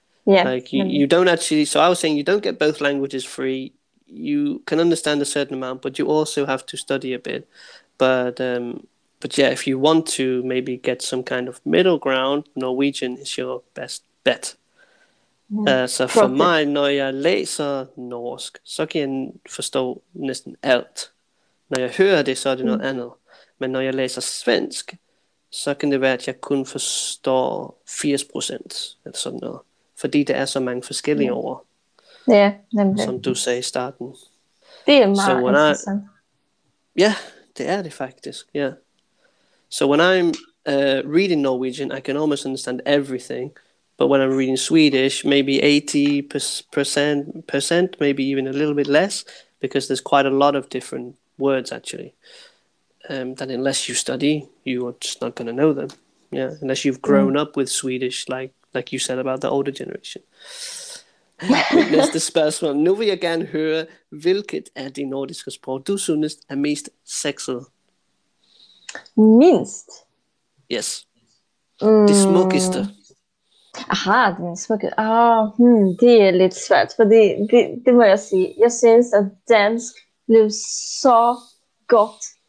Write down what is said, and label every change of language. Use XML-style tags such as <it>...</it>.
<en>Yeah. Like you don't actually. So I was saying you don't get both languages free. You can understand a certain amount, but you also have to study a bit. But if you want to maybe get some kind of middle ground, Norwegian is your best bet.</en> <da>For mig, når jeg læser norsk, så kan jeg forstå næsten alt. Når jeg hører det, så er det noget andet. Men når jeg læser svensk, så kan det være, at jeg kun forstår 80% eller sådan noget. Fordi det er så mange forskellige ord. Ja, nemlig. Som du sagde i starten. Det er meget interessant. Ja, det er det faktisk. Yeah.</da> <en>So when I'm reading Norwegian, I can almost understand everything. But when I'm reading Swedish, maybe 80%, maybe even a little bit less, because there's quite a lot of different words actually. That unless you study, you are just not going to know them. Yeah, unless you've grown up with Swedish, like you said about the older generation.</en> <da>Næste spørgsmål. Nu vil jeg gerne høre, hvilket af de nordiske sprog du synes er mest sexet? Minst? Yes. Det smukkeste. Aha, det smukkeste. Det er lidt svært, fordi det må jeg sige. Jeg synes, at dansk blev så godt.</da>